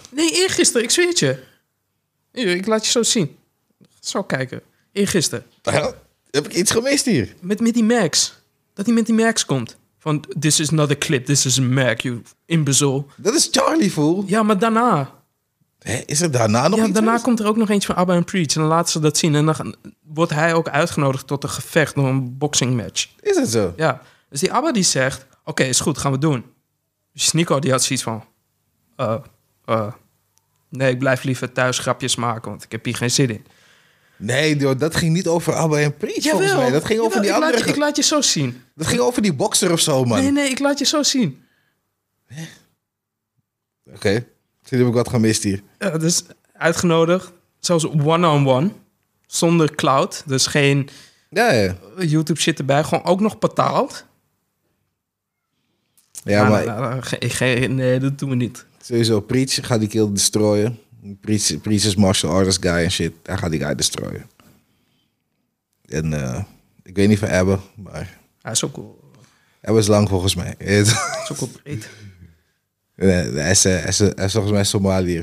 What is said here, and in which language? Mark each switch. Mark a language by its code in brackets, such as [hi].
[nl] Nee, eergisteren, ik zweer het je. Ik laat je zo zien. Zo kijken. Eergisteren. Ja, heb ik iets gemist hier? Met die Max. Dat hij met die Max komt. [en] Van, this is not a clip, this is a Mac, you imbezel. [nl] Dat is Charlie, fool. Ja, maar daarna. Hè, is er daarna nog iets? Ja, daarna komt er ook nog eentje van Abba en Preach. En dan laten ze dat zien. En dan wordt hij ook uitgenodigd tot een gevecht, door een boxing match. Is dat zo? Ja. Dus die Abba die zegt, oké, is goed, gaan we doen. Sneeko die had zoiets van, nee, ik blijf liever thuis grapjes maken, want ik heb hier geen zin in. Nee, joh, dat ging niet over Abba en Preach, jawel, volgens mij. Dat ging over die andere. Ik laat je zo zien. Dat ging over die boxer of zo, man. Nee, ik laat je zo zien. Oké, misschien heb ik wat gemist hier. Dus uitgenodigd, zelfs one-on-one, zonder cloud. Dus geen YouTube shit erbij, gewoon ook nog betaald. Ja, maar nee, dat doen we niet. Sowieso, Preach gaat die kill destroyen. Preach is martial artists guy en shit. Hij gaat die guy destroyen. En ik weet niet van Abba, maar hij is ook cool. Abba is lang volgens mij. Hij is ook breed. Nee, hij is volgens mij Somaliër.